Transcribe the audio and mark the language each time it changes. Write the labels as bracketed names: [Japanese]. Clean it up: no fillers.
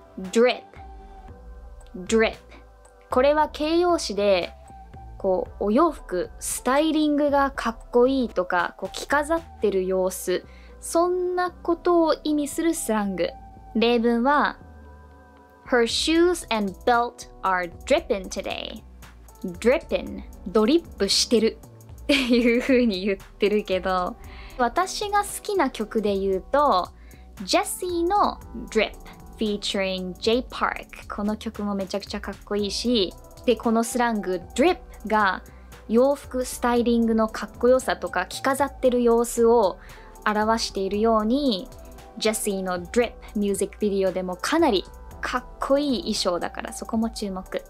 [Japanese] drip、 drip、 これは形容詞で、こうお洋服スタイリングがかっこいいとか、こう着飾ってる様子、そんなことを意味するスラング。例文は [English] Her shoes and belt are dripping today。 [Japanese] dripping、 ドリップしてるっていう風に言ってるけど、私が好きな曲で言うと、ジェシーの Drip featuring Jay Park。この曲もめちゃくちゃかっこいいし、で、このスラング Drip が洋服スタイリングのかっこよさとか着飾ってる様子を表しているように、ジェシーの Drip ミュージックビデオでもかなりかっこいい衣装だから、そこも注目。